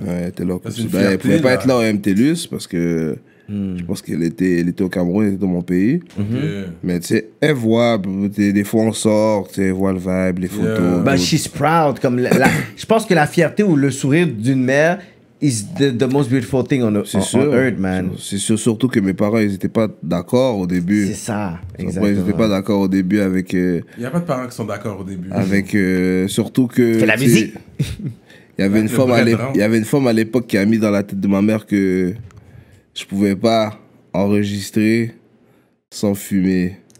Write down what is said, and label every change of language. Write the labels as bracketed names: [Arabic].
[French] Ouais, elle était là au Club Soda. Elle pouvait pas être là au MTLUS parce que je pense qu'elle était au Cameroun, elle était dans mon pays. Mm-hmm. Mais tu sais, elle voit, des fois on sort, elle voit le vibe, les photos. [English] But she's proud. [French] Je pense que la fierté ou le sourire d'une mère... [English] is the most beautiful thing on earth, man. [French] C'est sûr, surtout que mes parents, ils n'étaient pas d'accord au début. C'est ça, exactement. Ils n'étaient pas d'accord au début avec... Il n'y a pas de parents qui sont d'accord au début. Avec, surtout que... Fais la musique. Il y avait une femme à l'époque qui a mis dans la tête de ma mère que je ne pouvais pas enregistrer sans fumer.